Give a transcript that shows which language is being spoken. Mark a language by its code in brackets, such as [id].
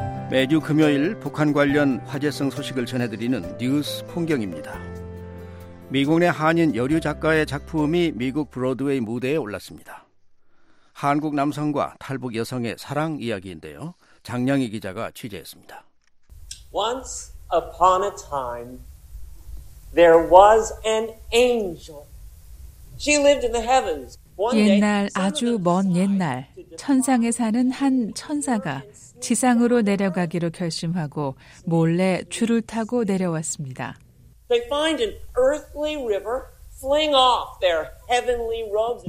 [ko] 매주 금요일 북한 관련 화제성 소식을 전해드리는 뉴스 풍경입니다. 미국 내 한인 여류 작가의 작품이 미국 브로드웨이 무대에 올랐습니다. 한국 남성과 탈북 여성의 사랑 이야기인데요. 장량희 기자가 취재했습니다. [en] Once upon a time, there was an angel. She lived in the heavens. [ko] 옛날 아주 먼 옛날 천상에 사는 한 천사가 지상으로 내려가기로 결심하고 몰래 줄을 타고 내려왔습니다. [en] They find an earthly river. Fling off their heavenly robes.